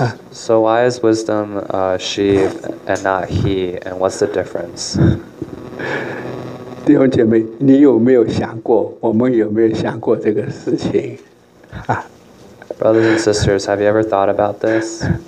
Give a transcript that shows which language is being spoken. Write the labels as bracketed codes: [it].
[en] So why is wisdom she and not he? And what's the difference? [zh] 弟兄姐妹，你有没有想过？我们有没有想过这个事情？ [en] Brothers and sisters, have you ever thought about this?